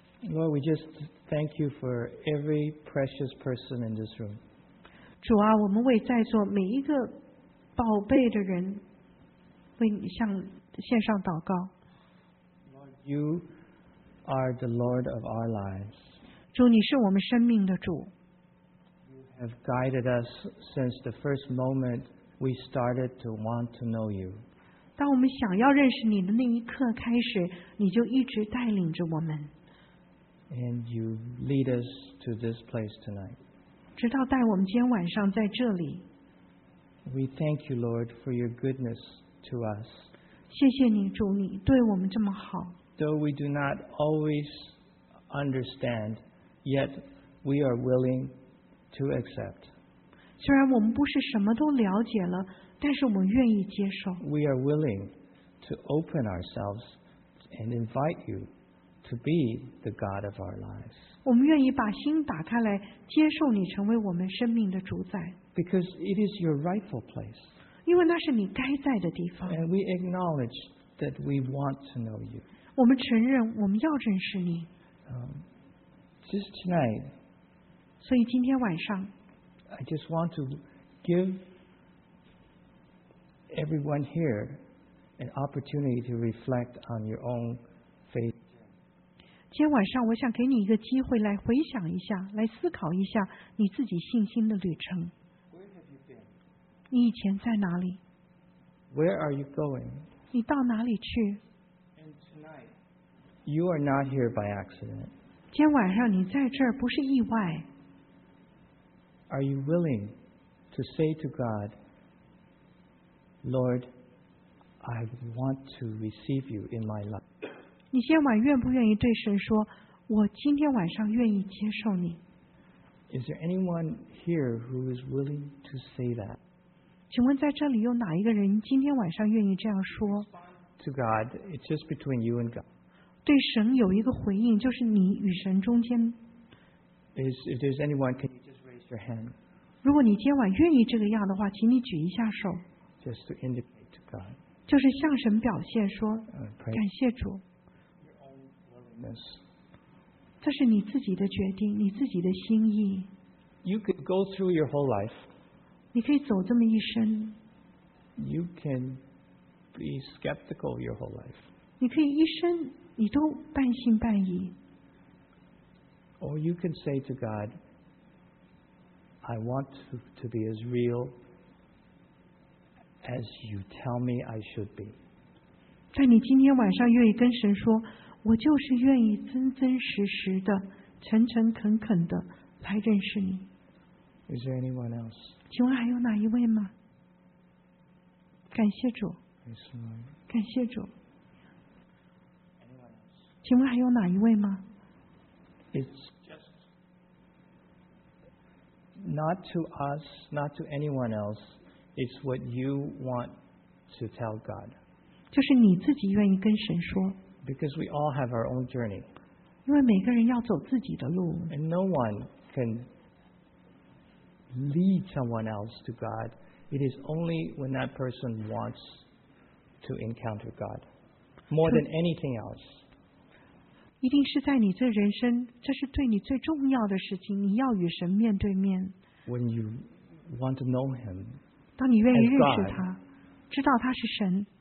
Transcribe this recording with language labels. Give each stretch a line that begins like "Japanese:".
English: Lord, we just thank you for every precious person in this room.
Chinese: 主啊，我们为在座每一个宝贝的人，为你向线上祷告。
English: Lord, you. Are the Lord of our lives.
Chinese: 主，你是我们生命的主。
English: You have guided us since the first moment we started to want to know you.
Chinese: 当我们想要认识你的那一刻开始，你就一直带领着我们。
English: And you lead us to this place tonight.
Chinese: 直到带我们今天晚上在这里。
English: We thank you, Lord, for your goodness to us.
Chinese: 谢谢你，主，你对我们这么好。
English: Though we do not always understand, yet we are willing to accept.
Chinese: 虽然我们不是什么都了解了，但是我们愿意接受。
English: We are willing to open ourselves and invite you to be the God of our lives.
Chinese: 我们愿意把心打开来，接受你成为我们生命的主宰。
English: Because it is your rightful place.
Chinese: 因为那是你该在的地方。
English: And we acknowledge that we want to know you.
Chinese: 我们承认我们要认识你。
English: Just tonight.
Chinese: 所以今天晚上。
English: I just want to give everyone here an opportunity to reflect on your own faith.
Chinese: 今天晚上我想给你一个机会来回想一下，来思考一下你自己信心的旅程。
English: Where have you been?
Chinese: 你以前在哪里？
English: Where are you going?
Chinese: 你到哪里去？
English: You are not here by accident.
Chinese: 今天晚上你在这儿不是意外。
English: Are you willing to say to God, Lord, I want to receive you in my life?
Chinese: 你今天晚愿不愿意对神说，我今天晚上愿意接受你。
English: Is there anyone here who is willing to say that?
Chinese: 请问在这里有哪一个人今天晚上愿意这样说？
English: To God, it's just between you and God.
Chinese: 对神有一个回应，就是你与神中间。
English: If there's anyone, can you just raise your hand?
Chinese: 如果你今晚愿意这个样的话，请你举一下手。
English: Just to indicate to God.
Chinese: 就是向神表现说，感谢主。这是你自己的决定，你自己的心意。
English: You could go through your whole life.
Chinese: 你可以走这么一生。
English: You can be skeptical your whole life.
Chinese: 你可以一生你都半信半疑。
English: Or you can say to God, I want to be as real as you tell me I should be.
Chinese: 在你今天晚上愿意跟神说，我就是愿意真真实实的、诚诚恳恳的来认识你。
English: Is there anyone else?
Chinese: 请问还有哪一位吗？感谢主。感谢主。请问还有哪一位吗？
English: It's just not to us, not to anyone else. It's what you want to tell God.
Chinese: 就是你自己愿意跟神说。
English: Because we all have our own journey.
Chinese: 因为每个人要走自己的路。
English: And no one can lead someone else to God. It is only when that person wants to encounter God. More than anything else.
Chinese: 一定是在你这人生，这是对你最重要的事情，你要与神面对面。
English: When you want to know him.
Chinese: 当你愿意认识他，知道他是神。